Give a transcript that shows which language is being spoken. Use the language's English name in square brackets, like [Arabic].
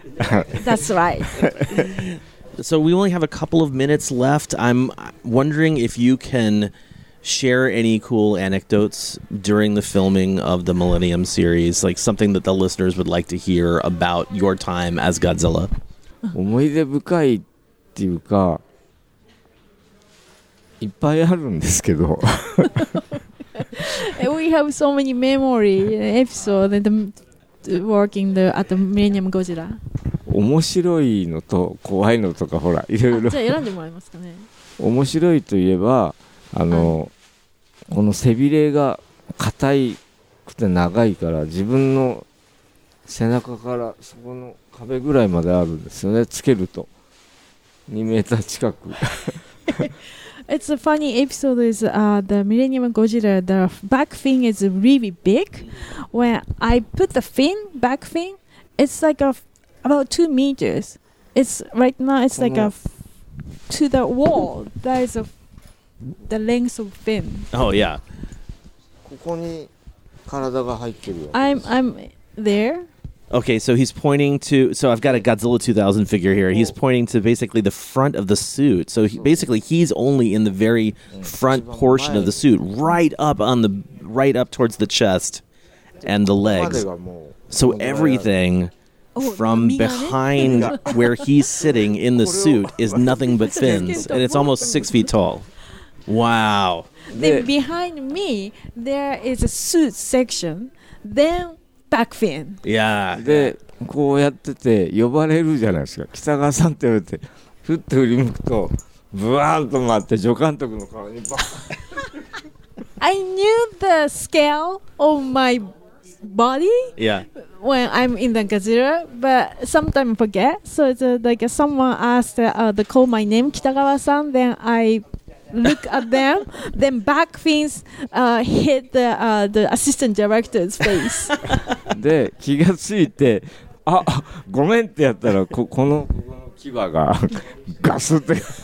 [English] That's right. So we only have a couple of minutes left. I'm wondering if you can share any cool anecdotes during the filming of the Millennium series, like something that the listeners would like to hear about your time as Godzilla. [Japanese] 思い出深いっていうか、いっぱいあるんですけど。 [English] We have so many memory episodes and working at the Millennium Godzilla. [Japanese] 面白いのと怖いのとかほらいろいろ。じゃあ選んでもらえますかね。面白いといえばこの背びれが硬くて長いから自分の背中からそこの壁ぐらいまであるんですよね。つけると2メーター近く。 [English] It's a funny episode is the Millennium Godzilla, the back fin is really big. When I put the fin, back fin, it's like about 2 meters. It's right now, it's like to the wall. That is the length of fin. Oh, yeah. [Japanese] ここに体が入ってる。 [English] I'm there. Okay, so he's pointing to, so I've got a Godzilla 2000 figure here. He's pointing to basically the front of the suit. So basically he's only in the very front portion of the suit, right up towards the chest and the legs. So everything... From behind where he's sitting in the suit is nothing but fins, and it's almost 6 feet tall. Wow. Then behind me, there is a suit section, then back fin. Yeah. [Japanese] で、こうやってて呼ばれるじゃないですか。北川さんって言われて、ふっと振り向くと、ブワーンと回って助監督の顔にバーン。 [English] I knew the scale of my body. Yeah. When I'm in the Godzilla, but sometimes forget. So it's like someone asked to call my name, Kitagawa-san. Then I look at them. Then back fins hit the assistant director's face. [Japanese] で気がついてあごめんってやったらこの牙がガスって